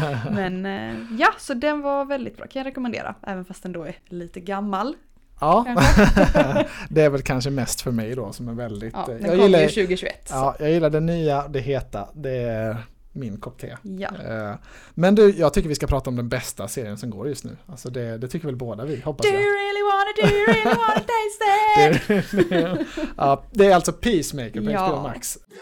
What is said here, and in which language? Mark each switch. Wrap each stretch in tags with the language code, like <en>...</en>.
<sv>Men ja, så den var väldigt bra. Kan jag rekommendera, även fast den då är lite gammal. Ja, det är väl kanske mest för mig då som är väldigt... Ja, den jag kom gillar, ju 2021. Ja, jag gillar det nya, det heta, det är min kopp te. Ja. Men du, jag tycker vi ska prata om den bästa serien som går just nu. Alltså det tycker väl båda vi, hoppas do jag.</sv> <en>Do you really wanna taste it?</en> <sv>Ja, det är alltså Peacemaker på HBO Max.</sv>